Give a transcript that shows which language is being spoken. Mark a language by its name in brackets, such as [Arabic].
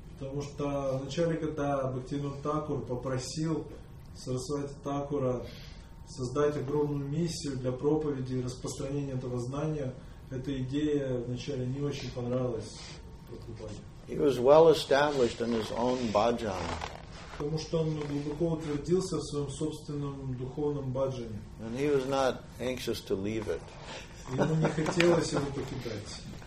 [Russian] Потому что вначале, когда Бхактивинода Такур попросил Сарасвати Такура создать огромную миссию для проповеди и распространения этого знания, эта идея вначале не очень понравилась Прабхупаде. [English] He was well established in his own bhajan. [Russian] Потому что он глубоко утвердился в своем собственном духовном баджане. [English] And he was not anxious to leave it. [Russian] Ему не хотелось его покидать.